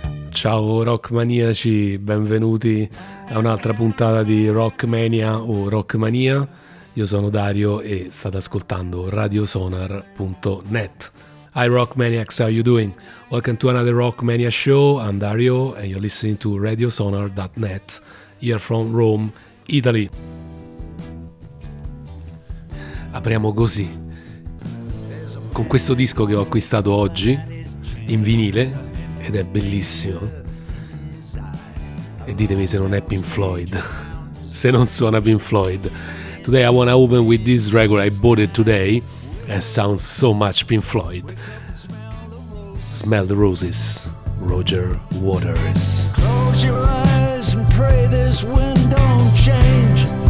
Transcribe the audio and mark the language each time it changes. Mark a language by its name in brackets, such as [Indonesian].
[Italian] Ciao rock maniaci, benvenuti a un'altra puntata di Rock Mania o Rock Mania. Io sono Dario e state ascoltando radiosonar.net. [English] Hi rock maniacs, how are you doing? Welcome to another Rock Mania show. I'm Dario and you're listening to radiosonar.net here from Rome, Italy. [Italian] Apriamo così con questo disco che ho acquistato oggi in vinile ed è bellissimo. E ditemi se non è Pink Floyd, se non suona Pink Floyd. [English] Today I wanna open with this record I bought it today and sounds so much Pink Floyd. Smell the Roses, Roger Waters. Close your eyes and pray this wind don't change.